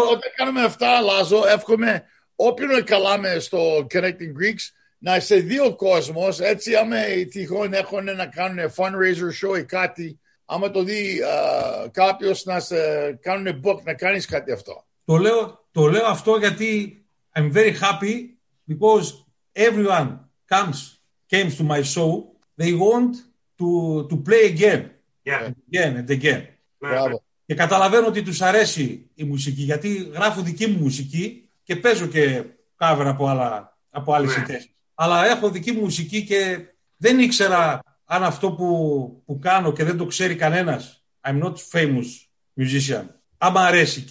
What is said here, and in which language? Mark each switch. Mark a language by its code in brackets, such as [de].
[el] Όταν κάνουμε αυτά, Λάζο, εύχομαι όποιον καλάμε στο Connecting Greeks να σε δει ο κόσμος, έτσι άμα τυχόν έχουν να κάνουν fundraiser show ή κάτι, άμα το δει κάποιος να σε κάνουν book, να κάνεις κάτι αυτό. Το λέω αυτό γιατί [en] I'm very happy because everyone came to my show, they want to play again. Yeah. Again and again. [el] Μπράβο. Και καταλαβαίνω ότι τους αρέσει η μουσική, γιατί γράφω δική μου μουσική και παίζω και cover από άλλες συνθέσεις. Yeah. Αλλά έχω δική μου μουσική και δεν ήξερα αν αυτό που κάνω και δεν το ξέρει κανένας, [en] I'm not famous musician, [el] άμα αρέσει.